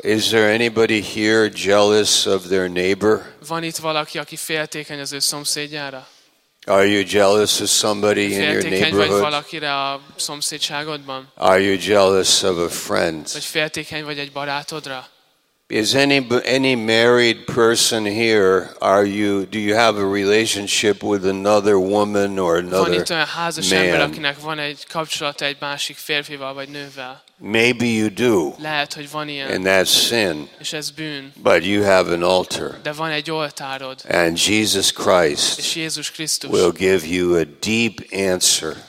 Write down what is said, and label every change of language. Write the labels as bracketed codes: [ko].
[en] Is there anybody here jealous of their neighbor? [hu] Van itt valaki, aki féltékeny az ő szomszédjára? [en] Are you jealous of somebody in your neighborhood? [hu] Féltékeny vagy valakire a szomszédságodban? [en] Are you jealous of a friend? [hu] Vagy féltékeny vagy egy barátodra? [en] Is any married person here? Do you have a relationship with another woman or another [hu] man? Van itt olyan házas ember, akinek van egy kapcsolata egy másik férfival vagy nővel? [en] Maybe you do. [hu] Lehet, hogy van ilyen. [en] And that's sin. [hu] És ez bűn. [en] But you have an altar. [hu] De van egy oltárod. [en] And Jesus Christ. [hu] És Jézus Krisztus. [en] Will give you a deep answer.